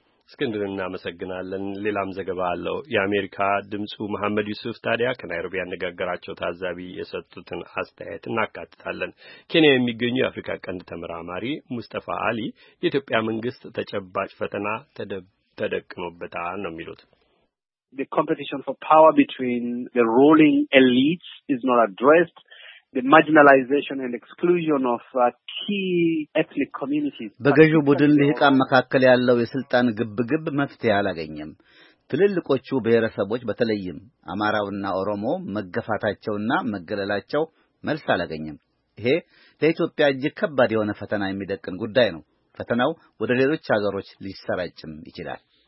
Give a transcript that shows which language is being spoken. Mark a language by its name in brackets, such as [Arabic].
[Amharic] እስክንድር እናመሰግናለን። ሌላም ዘገባ አለው። የአሜሪካ ድምጹ መሐመድ ዩሱፍ ታዲያ ከናይሮቢ ያነጋገራቸው ታዛቢ የሰጡትን አስተያየት እናካትታለን። ኬንያ የሚገኙ የአፍሪካ ቀንድ ተመራማሪ ሙስጠፋ አሊ የኢትዮጵያ መንግስት ተጨባጭ ፈተና ተደቅኖበታል ነው የሚሉት። [English] The competition for power between the ruling elites is not addressed. The marginalization and exclusion of key ethnic communities. [Amharic] በገዢ ቡድን ለህቃን መካከለ ያለው የስልጣን ግብግብ መፍትሄ አላገኘም። ትልልቆቹ ብሔረሰቦች በተለይም አማራውና ኦሮሞ መገፋታቸውና መገለላቸው መልስ አላገኘም። ይሄ ለኢትዮጵያ እጅግ ከባድ የሆነ ፈተና የሚደቅን ጉዳይ ነው። ፈተናው ወደ ሌሎች ሀገሮች ሊሰራጭም ይችላል።